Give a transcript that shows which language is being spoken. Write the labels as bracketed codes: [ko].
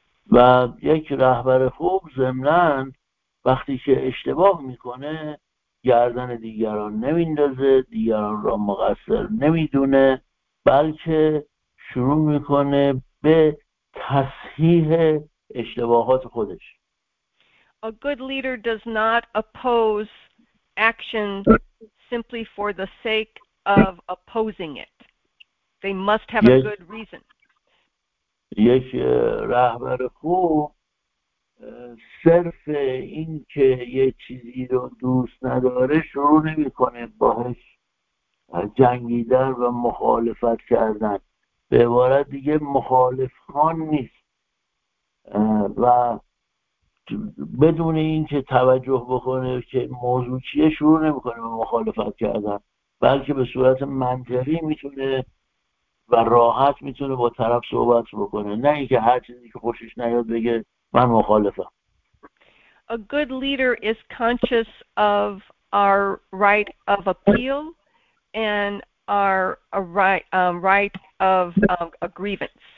[fa] و یک رهبر خوب ضمناً وقتی که اشتباه میکنه گردن دیگران نمیندازه، دیگران را مقصر نمیدونه، بلکه شروع میکنه به تصحیح اشتباهات خودش. [en] A good leader does not oppose action simply for the sake of opposing it. They must have a good reason. [fa] یک رهبر خوب صرف این که یه چیزی رو دوست نداره شروع نمی کنه باهش جنگیدن و مخالفت کردن، به عبارت دیگه مخالف خان نیست و بدون این که توجه بکنه که موضوع چیه شروع نمی کنه به مخالفت کردن، بلکه به صورت منطقی می تونه و راحت میتونه با طرف صحبت بکنه، نه اینکه هر چیزی که خوشش نیاد بگه من مخالفم. [en] A good leader is conscious of our right of appeal and our right of grievance.